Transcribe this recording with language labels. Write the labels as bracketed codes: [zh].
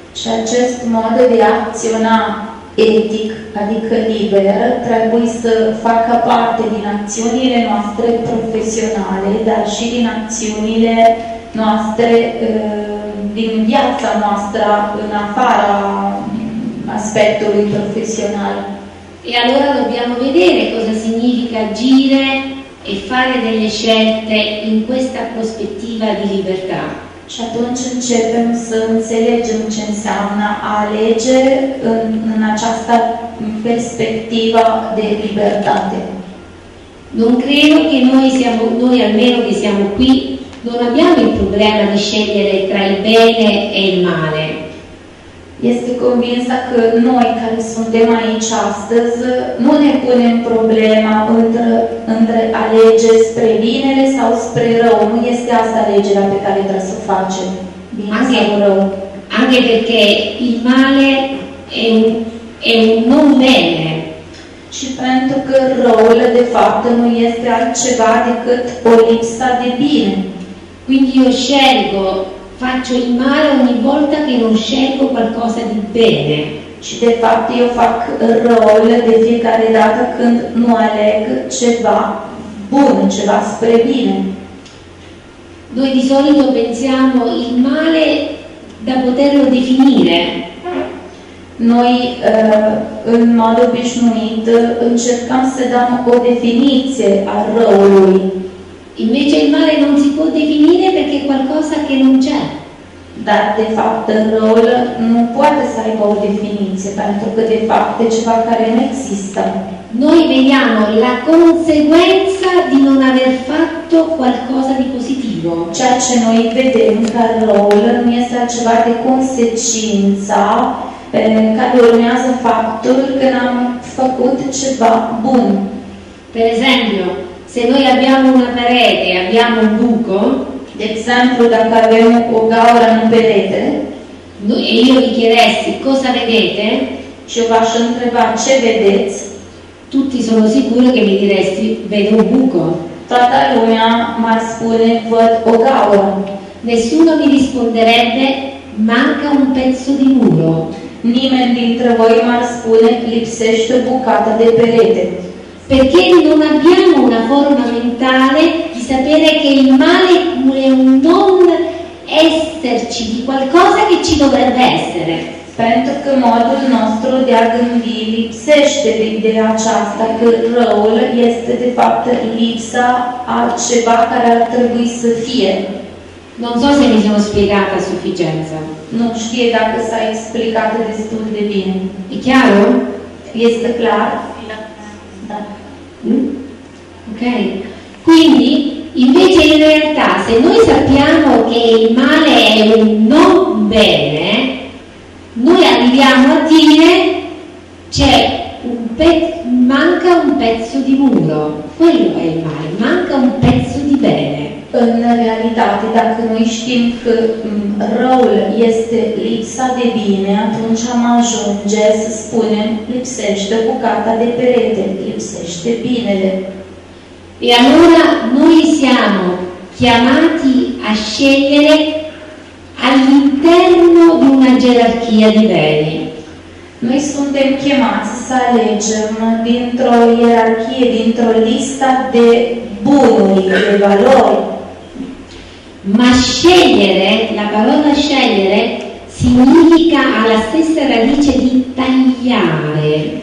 [ro] Și acest mod de a acționa etic, adică liber, trebuie să facă parte din acțiunile noastre profesionale, dar și din acțiunile noastre, din viața noastră, în afara aspectului profesional. [it] E allora dobbiamo vedere cosa significa agire e fare delle scelte in questa prospettiva di libertà. [ro] Și atunci începem să înțelegem ce înseamnă a alege în această perspectivă de libertate. [it] Non credo che noi almeno che siamo qui, non abbiamo il problema di scegliere tra il bene e il male. [ro] Este convinsă că noi care suntem aici astăzi nu ne punem problema între alege spre binele sau spre rău. Nu este asta alegerea pe care trebuie să o facem, bine sau rău. [it] Anche perché il male e un non bene. [ro] Și pentru că răul de fapt nu este altceva decât o lipsă de bine. [it] Quindi io scelgo, faccio il male ogni volta che non scelgo qualcosa di bene. [ro] Și de fapt eu fac rol de fiecare dată când nu aleg ceva bun, ceva spre bine. [it] Noi di solito pensiamo il male da poterlo definire. [ro] Noi, în mod obișnuit, încercăm să dăm o definiție a răului. [it] Invece il male non si può definire perché è qualcosa che non c'è. [ro] Dar de fapt răul nu poate să aibă o definiție, pentru că de fapt e ceva care nu există. [it] Noi vediamo la conseguenza di non aver fatto qualcosa di positivo. [ro] Ceea ce noi vedem ca răul nu este ceva de consecință, care urmează faptul că n-am făcut ceva bun. [it] Per esempio, se noi abbiamo una parete, abbiamo un buco, [ro] de exemplu, dacă avem o gaură în perete, eu îi [it] chiedessi cosa vedete, [ro] și eu v-aș întreba ce vedeți, [it] tutti sono sicuri che mi diresti vedo un buco. [ro] Toată lumea m-ar spune văd o gaură. [it] Nessuno mi risponderebbe manca un pezzo di muro. [ro] Nimeni dintre voi m-ar spune lipsește o bucată de perete. [it] Perché non abbiamo una forma mentale di sapere che il male è un non esserci di qualcosa che ci dovrebbe essere. [ro] Pentru că modul nostru de a gândi lipsește de ideea aceasta că răul este de fapt lipsa a ceva care ar trebui să fie. [it] Non so se mi sono spiegata a sufficienza. [ro] Non știe dacă s-a explicat destul de bine. [it] E chiaro? [ro] Este clar? Ok. [it] Quindi, invece in realtà, se noi sappiamo che il male è un non bene, noi arriviamo a dire c'è un manca un pezzo di muro. Quello è il male, manca un pezzo di bene. [ro] In realtà, dacă noi știm că răul este lipsa de bine, atunci am ajunge să spunem lipsește bucata de perete, lipsește binele. [it] E allora noi siamo chiamati a scegliere all'interno di una gerarchia di beni. [ro] Noi suntem chiamati să alegem dintr-o ierarhie, dintr-o lista de buni, de valori. [it] Ma scegliere, la parola scegliere, significa alla stessa radice di tagliare.